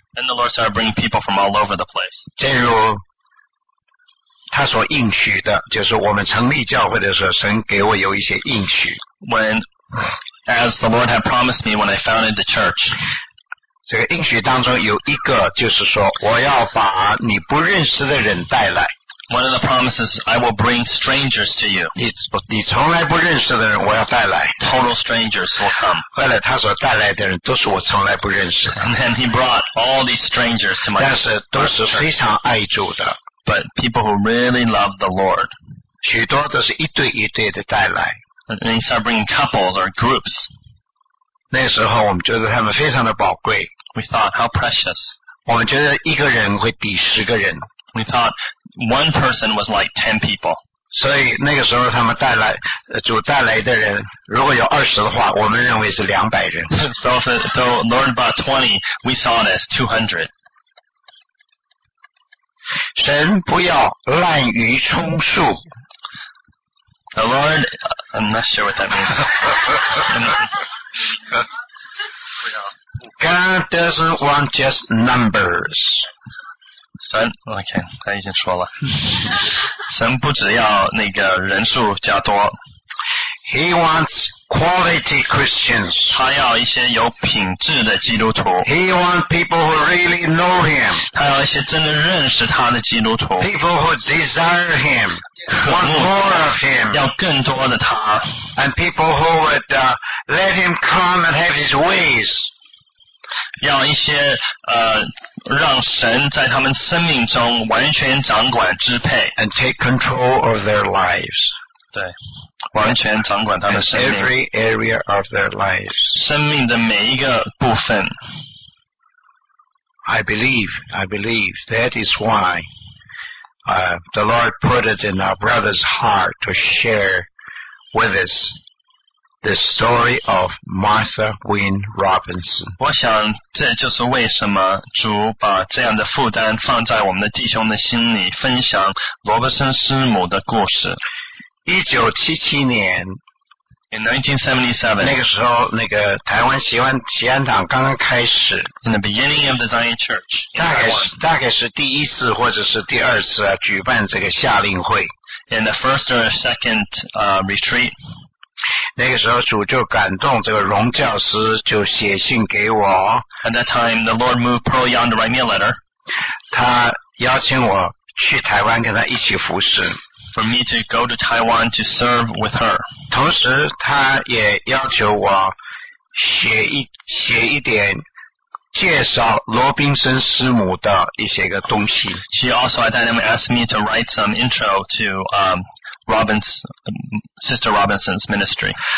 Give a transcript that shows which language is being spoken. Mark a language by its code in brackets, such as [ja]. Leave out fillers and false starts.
[en] Then the Lord started bringing people from all over the place [zh] 正如他所应许的，就是我们成立教会的时候，神给我有一些应许。 [en] When, as the Lord had promised me when I founded the church, [zh] 这个应许当中有一个就是说，我要把你不认识的人带来。 [en] One of the promises, I will bring strangers to you. [zh] 你从来不认识的人我要带来。 [en] Total strangers will come. [zh] 后来他所带来的人都是我从来不认识的。 [en] And he brought all these strangers to my church. [zh] 但是都是非常爱主的。 [en] But people who really love the Lord. [zh] 许多都是一对一对的带来。 [en] And they start bringing couples or groups. [zh] 那时候我们觉得他们非常的宝贵。 [en] We thought, how precious. [zh] 我们觉得一个人会抵十个人。 [en] We thought, one person was like 10 people. [zh] 所以那个时候他们带来主带来的人如果有20的话我们认为是200人。 [en] So if the Lord brought 20, we saw it as 200. [zh] 神不要滥竽充数。 [en] The Lord, I'm not sure what that means. God doesn't want just numbers. [zh] 神 ，OK， 他已经说了，神不只要那个人数加多 [en] ，He wants quality Christians， [zh] 他要一些有品质的基督徒 [en] ，He wants people who really know Him， [zh] 他要一些真的认识他的基督徒 [en] ，People who desire Him， want more of Him， [zh] 要更多的他 [en] ，And people who would、let Him come and have His ways。 [zh] 要一些让神在他们生命中完全掌管支配 [en] and take control of their lives [zh] 对完全掌管他们生命 [en] and every area of their lives [zh] 生命的每一个部分 [en] I believe that is why the Lord put it in our brother's heart to share with usThe story of Martha Wynn Robinson. [zh] 我想这就是为什么主把这样的负担放在我们的弟兄的心里分享罗伯森师母的故事。 1977年 [en] In 1977, [zh] 那个时候那个台湾锡安党刚刚开始 [en] In the beginning of the Zion Church, [zh] 大概是第一次或者是第二次、啊、举办这个夏令会 [en] In the first or second、retreat, [zh] 那个时候主就感动这个荣教师就写信给我 [en] At that time the Lord moved Pearl Young to write me a letter [zh] 他邀请我去台湾跟他一起服侍 [en] For me to go to Taiwan to serve with her [zh] 同时他也要求我写一点介绍罗宾森师母的一些个东西 [en] She also at that time asked me to write some intro to Sister Robinson's ministry.